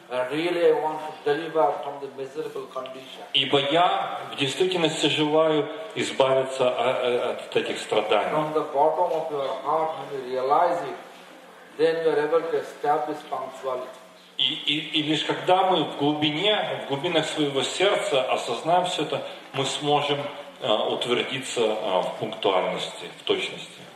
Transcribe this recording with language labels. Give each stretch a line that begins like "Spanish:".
English: Really want to deliver from the miserable condition.
Russian: Ибо я в действительности желаю избавиться от этих страданий.
English: From the bottom of your heart, when you realize it, then you are able to establish punctuality.
Russian: И лишь когда мы в глубинах своего сердца осознаем все это, мы сможем утвердиться в пунктуальности, в точности.